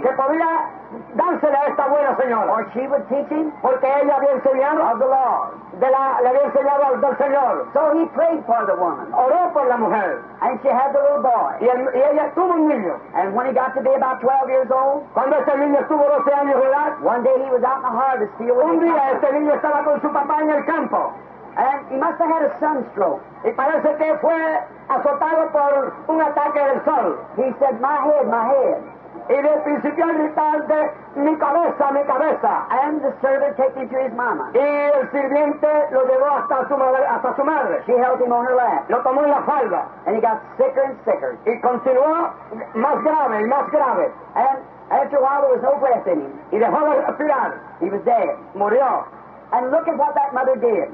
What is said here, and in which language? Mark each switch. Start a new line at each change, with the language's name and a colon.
Spanish: que podría dársele a esta buena señora,
English: or she would teach him,
Spanish: porque ella había enseñado,
English: of the law,
Spanish: le había enseñado al del Señor.
English: So he prayed for the woman,
Spanish: oró por la mujer,
English: and she had the little boy,
Spanish: y ella tuvo un niño.
English: And when he got to be about 12 years old,
Spanish: cuando este niño estuvo 12 años de edad,
English: one day he was out in the harvest field with
Spanish: un día his este niño estaba con su papá en el campo,
English: and he must have had a sunstroke.
Spanish: Y parece que fue azotado por un ataque del sol.
English: He said, my head, my head.
Spanish: Y de principio a gritar de mi cabeza, mi cabeza.
English: And the servant took him to his mama.
Spanish: Y el sirviente lo llevó hasta su madre.
English: She held him on her lap.
Spanish: Lo tomó en la falda.
English: And he got sicker and sicker.
Spanish: Y continuó más grave y más grave.
English: And after a while there was no breath in him.
Spanish: Y dejó de respirar.
English: He was dead.
Spanish: Murió.
English: And look at what that mother did.